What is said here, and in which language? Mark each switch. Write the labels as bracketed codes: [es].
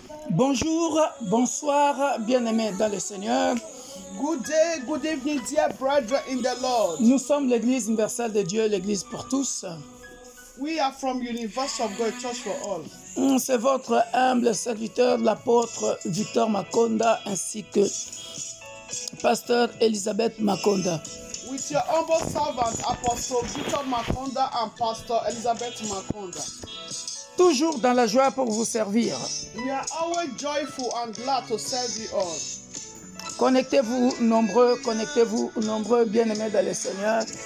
[fr] Bonjour, bonsoir, bien-aimés dans le Seigneur. [en] Good day, good evening, dear brother in the Lord. [fr] Nous sommes l'Église universelle de Dieu, l'Église pour tous. [en] We are from Universe of God Church for All. [fr] C'est votre humble serviteur, l'apôtre Victor Makonda, ainsi que pasteur Elisabeth Makonda. [en] With your humble servant, apostle Victor Makonda and pastor Elisabeth Makonda. [fr] Toujours dans la joie pour vous servir. [en] We are always joyful and glad to serve you all. [fr] Connectez-vous nombreux, bien-aimés dans le Seigneur.